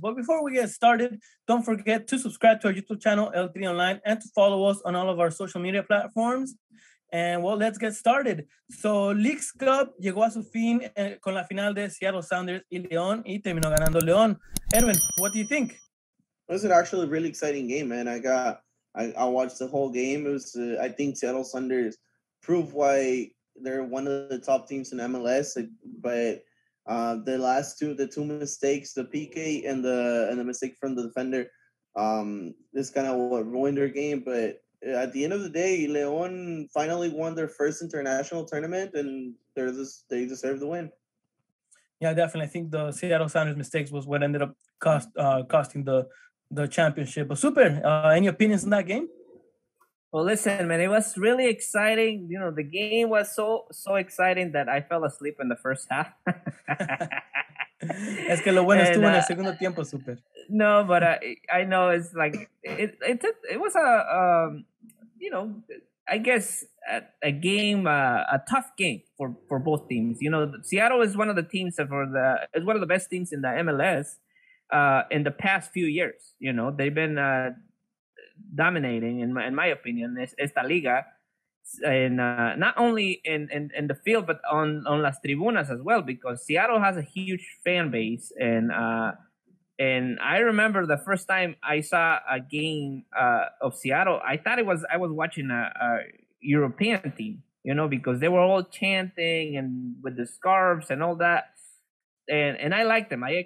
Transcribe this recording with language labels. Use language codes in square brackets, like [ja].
[en] But before we get started, don't forget to subscribe to our YouTube channel, El Pío Online, and to follow us on all of our social media platforms. And well, let's get started. [es] So, Leagues Cup llegó a su fin con la final de Seattle Sounders y León, y terminó ganando León. [en] Edwin, what do you think? It was actually a really exciting game, man. I watched the whole game. It was, I think Seattle Sounders proved why they're one of the top teams in MLS. But the last two, the two mistakes, the PK and the mistake from the defender, this kind of what ruined their game. But at the end of the day, León finally won their first international tournament, and they deserve the win. Yeah, definitely. I think the Seattle Sounders mistakes was what ended up costing the championship. But Super, any opinions on that game? Well, listen, man, it was really exciting. You know, the game was so exciting that I fell asleep in the first half. [es] Es que lo bueno estuvo en el segundo tiempo, Super. [en] No, but I know it's like, it was a, you know, I guess a game, a tough game for both teams. You know, Seattle is one of the teams is one of the best teams in the MLS. In the past few years, you know, they've been dominating, in my opinion, esta liga, and not only in the field, but on las tribunas as well, because Seattle has a huge fan base, and I remember the first time I saw a game of Seattle, I was watching a European team, you know, because they were all chanting and with the scarves and all that, and I liked them.